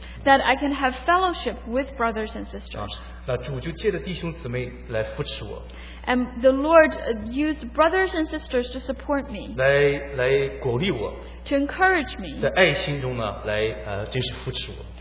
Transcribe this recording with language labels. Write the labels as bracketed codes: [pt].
[en] That I can have fellowship with brothers and sisters. [zh] 那主就借着弟兄姊妹来扶持我。 [en] And the Lord used brothers and sisters to support me. [zh] 来鼓励我。 [en] To encourage me. [zh] 在爱心中呢，来真实扶持我。